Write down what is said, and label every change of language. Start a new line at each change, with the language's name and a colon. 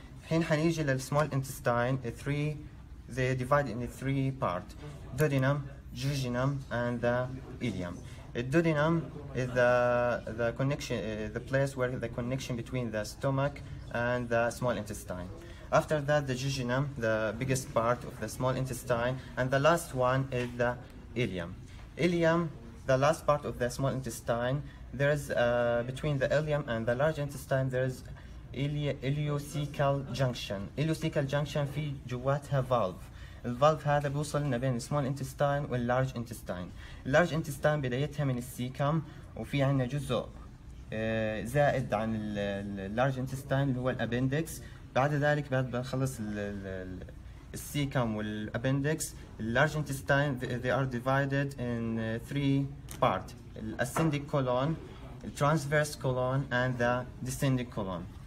English: الحين حنيجي للسمول انتستاين، الثري ذي ديفايد ان ثري بارت، دودينم، جيجينم اند ذا ايليوم. الدودينم از ذا كونكشن، ذا بليس وير ذا كونكشن بتوين ذا ستومك اند ذا سمول انتستاين. After that, the jejunum, the biggest part of the small intestine, and the last one is the ileum. Ileum, the last part of the small intestine, there is between the ileum and the large intestine, there is ileocecal junction. Ileocecal junction
Arabic: في جواتها
English: valve.
Arabic: الvalve هذا بيوصل لنا بين small intestine وال large intestine. Large intestine بدايتها من السيكم، وفي عنا جزء زائد عن ال large intestine اللي هو الappendix. بعد ذلك بعد بخلص السيكم والابندكس،
English: اللارج intestine they are divided in three part: الاسندك colon, الترانسفيرس colon, and the descending colon.